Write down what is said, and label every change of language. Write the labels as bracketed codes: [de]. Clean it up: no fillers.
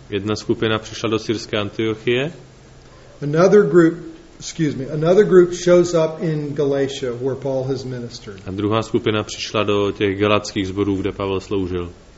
[cs] Jedna skupina přišla do syrské Antiochie. [en] Another group shows up in Galatia where Paul has ministered. [cs] A druhá skupina přišla do těch galackých zborů, kde Pavel sloužil.